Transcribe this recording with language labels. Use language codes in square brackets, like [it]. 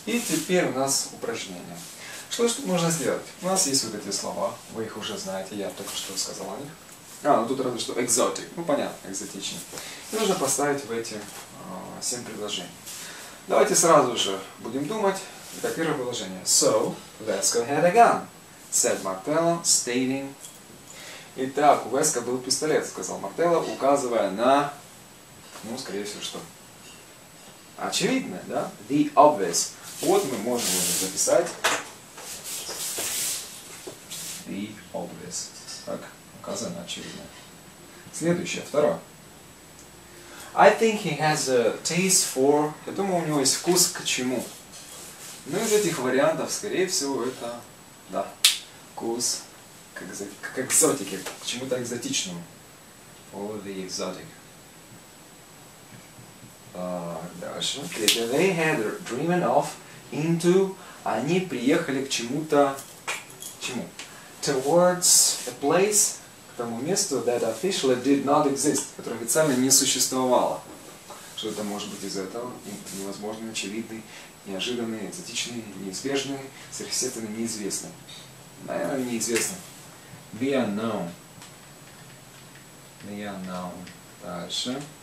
[ru] И теперь у нас упражнение. Что нужно сделать? У нас есть вот эти слова, вы их уже знаете, я только что сказал о них. Ну тут разве что exotic, ну понятно, экзотичный. И нужно поставить в эти 7 предложений. Давайте сразу же будем думать. Итак, первое предложение. [en] So, let's go ahead again, said Martello, stating... [ru] Итак, у Веска был пистолет, сказал Мартелло, указывая на, ну, скорее всего, что? Очевидно, да? [en] The obvious. [ru] Вот мы можем уже записать. [en] The obvious. [ru] Так, указано очевидно. Следующее, второе. [en] I think he has a taste for... [ru] Я думаю, у него есть вкус к чему? Ну, из этих вариантов, скорее всего, это... Да, вкус... к экзотике, к чему-то экзотичному. [en] All the exotic. [ru] Дальше. [en] They had driven off into... [ru] Они приехали к чему-то... К чему? [en] Towards a place, [ru] к тому месту, [en] that officially did not exist, [ru] которое официально не существовало. Что это может быть из этого? Невозможный, очевидный, неожиданный, экзотичный, неизбежный, сверхъестественный, неизвестный. Наверное, неизвестный. [en] The unknown. The unknown. Дальше.